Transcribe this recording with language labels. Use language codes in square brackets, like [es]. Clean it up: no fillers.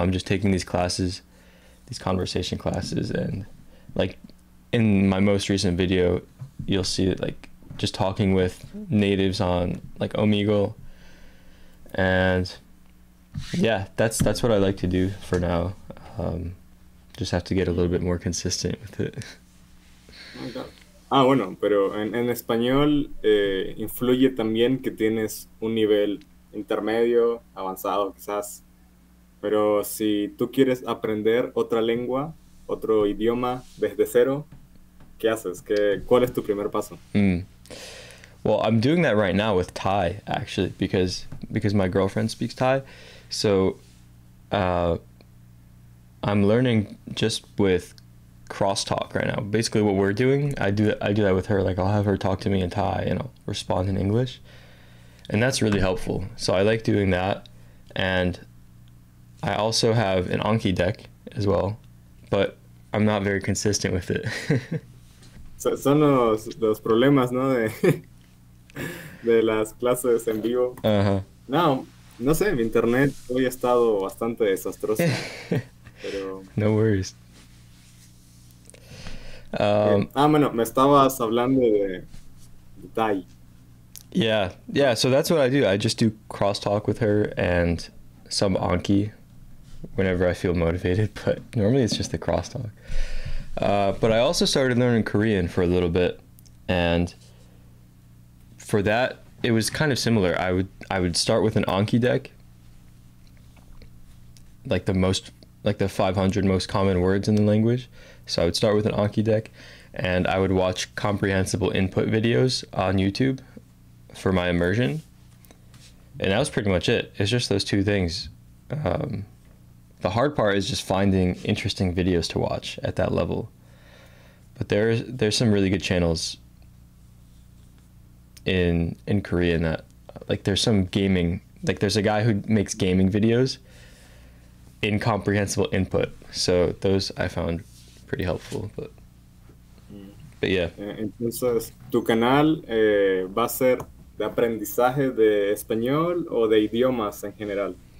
[en] I'm just taking these classes, these conversation classes, and like in my most recent video, you'll see that, like, just talking with natives on like Omegle. And yeah, that's what I like to do for now. Just have to get a little bit more consistent with it. [es] Ah, bueno, pero en español influye también que tienes un nivel intermedio, avanzado quizás. Pero si tú quieres aprender otra lengua, otro idioma desde cero, ¿qué haces? ¿Cuál es tu primer paso? [en] Well, I'm doing that right now with Thai, actually, because my girlfriend speaks Thai. So I'm learning just with CROSSTALK right now. Basically what we're doing, I do that with her. Like, I'll have her talk to me in Thai and I'll respond in English. And that's really helpful. So I like doing that. And I also have an Anki deck as well, but I'm not very consistent with it. [es] Son los problemas, ¿no? De las clases en vivo. No sé, mi internet hoy ha estado bastante desastroso. Pero... [en] No worries. [es] Bueno, me estabas hablando de Thai. [en] Yeah, so that's what I do. I just do CROSSTALK with her and some Anki whenever I feel motivated, but normally it's just the CROSSTALK. But I also started learning Korean for a little bit, and for that, it was kind of similar. I would start with an Anki deck, like the most, like the 500 most common words in the language. So I would start with an Anki deck, and I would watch comprehensible input videos on YouTube for my immersion. And that was pretty much it. It's just those two things. The hard part is just finding interesting videos to watch at that level. But there's some really good channels in Korean that, like, there's some gaming, like there's a guy who makes gaming videos in comprehensible input. So those I found pretty helpful, but yeah. [es] Entonces, tu canal va a ser de aprendizaje de español o de idiomas en general?